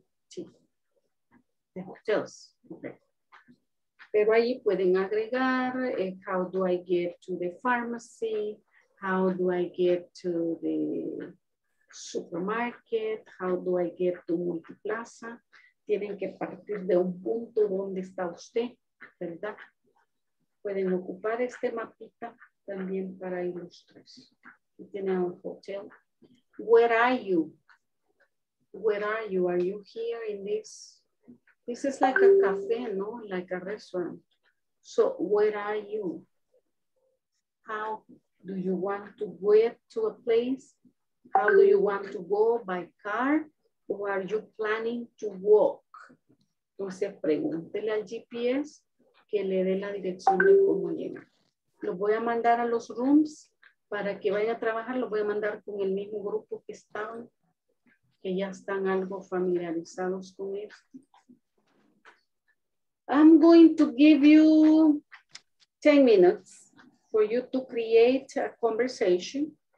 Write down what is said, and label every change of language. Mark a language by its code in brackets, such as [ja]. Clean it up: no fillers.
[en] Sí. The hotels. Okay. [es] Pero ahí pueden agregar, [en] how do I get to the pharmacy? How do I get to the supermarket? How do I get to Multiplaza? [es] tienen que partir de un punto donde está usted, ¿verdad? Pueden ocupar este mapita también para ilustrar. Aquí tiene un hotel. [en] Where are you? Where are you? Are you here in this? This is like a cafe, no? Like a restaurant. So where are you? How do you want to get to a place? How do you want to go by car? Or are you planning to walk? [es] Entonces pregúntele al GPS que le dé la dirección de cómo llegar. Lo voy a mandar a los rooms para que vaya a trabajar. Lo voy a mandar con el mismo grupo que estaban, que ya están algo familiarizados con esto. [en] I'm going to give you 10 minutes for you to create a conversation.